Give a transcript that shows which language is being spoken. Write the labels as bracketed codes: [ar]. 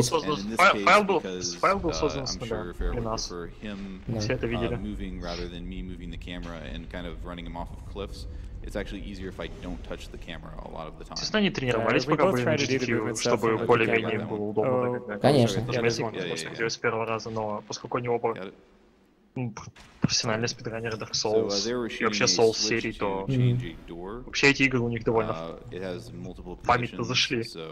[ru] Файл был создан с нуля для нас. Все это видели. [en] Rather than me moving the camera and kind of running him off of cliffs. It's actually easier if I don't touch the camera a lot of the time. [ru] Они тренировались, пока были на GDQ, чтобы более-менее было удобно. Конечно. Я с первого раза, но поскольку они оба профессиональные спидранеры Dark Souls и вообще Souls серии, то вообще эти игры у них довольно память-то зашли.